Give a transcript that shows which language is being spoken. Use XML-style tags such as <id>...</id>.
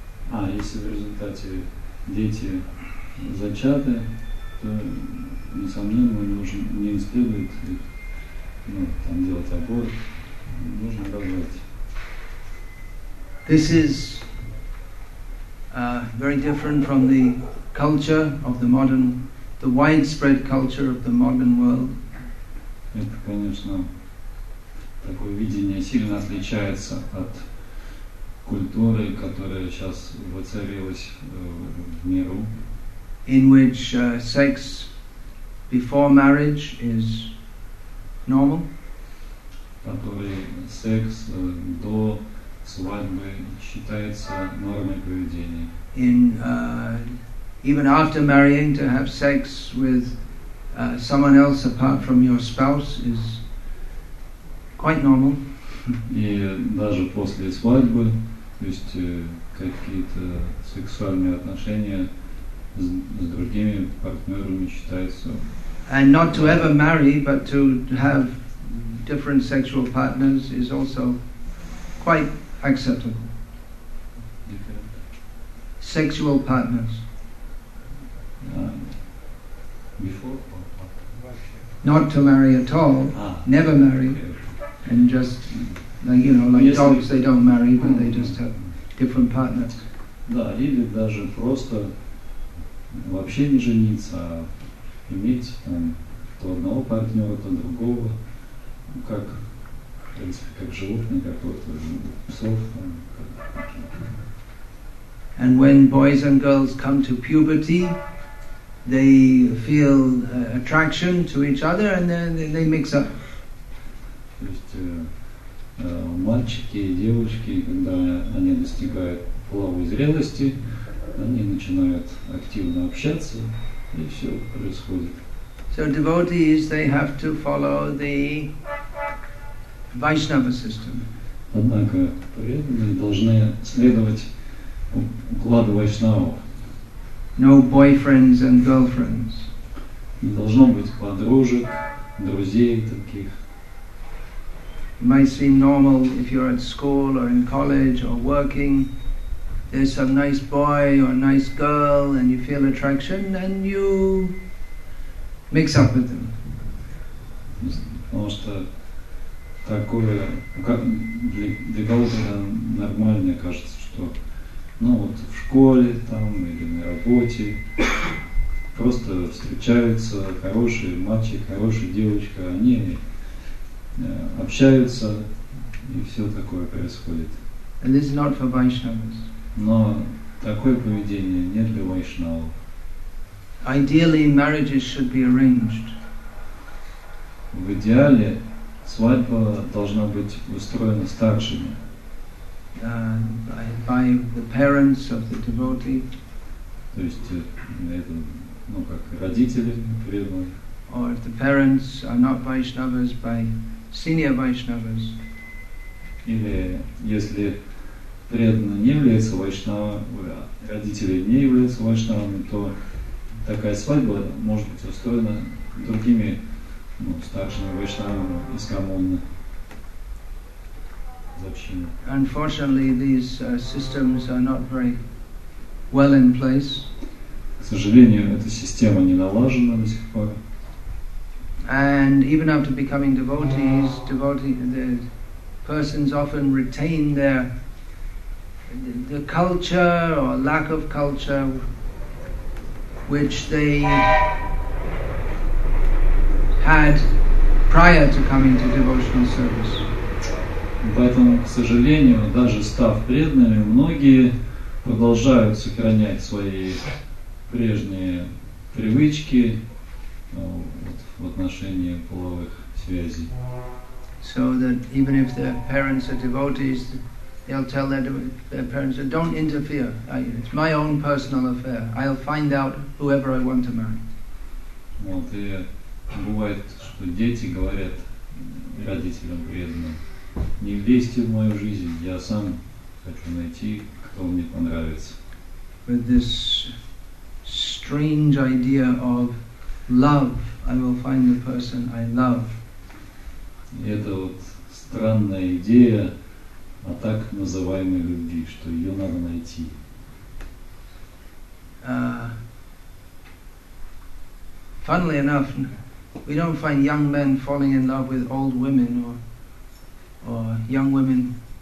<ru>А, если в результате дети зачаты, то, несомненно, нужно не следует их, ну, там делать аборт, нужно рожать.</ru> <en>This is very different from the culture of the modern, the widespread culture of the modern world.</en> <ru>Это, конечно, такое видение сильно отличается от культуры, которая сейчас воцарилась в миру.</ru> <en>In which sex before marriage is normal.</en> <ru>Который секс до свадьбы считается нормой поведения.</ru> <en>In even after marrying, to have sex with someone else apart from your spouse is quite normal.</en> <ru>И даже после свадьбы, то есть какие-то сексуальные отношения с другими партнерами считаются.</ru> <en>And not to ever marry, but to have different sexual partners is also quite acceptable. Different. Sexual partners. Before or not to marry at all, never marry, and just like, you know, like dogs, they don't marry, but they just have different partners.</en> <ru>Да, или даже просто вообще не жениться, а иметь там то одного партнера, то другого, ну, как, в принципе, как животное, как вот псов. Там, как...</ru> <en>And when boys and girls come to puberty, they feel attraction to each other, and then they mix up.</en> <ru>То есть мальчики и девочки, когда они достигают половой зрелости, они начинают активно общаться, и все происходит.</ru> <en>So devotees, they have to follow the Vaishnava system.</en> <ru>Однако преданные должны следовать укладу вайшнавов.</ru> <en>No boyfriends and girlfriends.</en> <ru>Не должно быть подружек, друзей таких.</ru> <en>It might seem normal if you're at school or in college or working. There's some nice boy or nice girl and you feel attraction and you mix up with them.</en> <ru>Потому что такое, как для кого-то нормально кажется, что ну вот в школе там или на работе просто встречаются хорошие мальчики, хорошие девочки, они общаются, и все такое происходит.</ru> <en>And this is not for Vaishnavas.</en> <ru>Но такое поведение не для вайшнавов.</ru> <en>Ideally, marriages should be arranged.</en> <ru>В идеале, свадьба должна быть устроена старшими.</ru> <en>By the parents of the devotee.</en> <ru>То есть, это, ну, как родители преданные.</ru> <en>Or if the parents are not Vaishnavas, by senior Vaishnavas.</en> <ru>Или если преданный не является вайшнавом, родители не являются вайшнавами, то такая свадьба может быть устроена другими, ну, старшими вайшнавами из коммуны, из общины.</ru> <en>Unfortunately, these systems are not very well in place.</en> <ru>К сожалению, эта система не налажена до сих пор.</ru> <en>And even after becoming devotees, the persons often retain the culture or lack of culture which they had prior to coming to devotional service.</en> <ru>Поэтому, к сожалению, даже став преданными, многие продолжают сохранять свои прежние привычки в отношении половых связей.</ru> <en>So that even if their parents are devotees, they'll tell their parents, don't interfere. It's my own personal affair. I'll find out whoever I want to marry.</en> <ru>Вот, и бывает, что дети говорят родителям преданным, не лезьте в мою жизнь, я сам хочу найти, кто мне понравится.</ru> <en>With this strange idea of love, I will find the person I love.</en> <ru>Это вот странная идея о так называемой любви, что ее надо найти.</ru> <en>Funnily enough, we don't find young men falling in love with old women or young women.</en>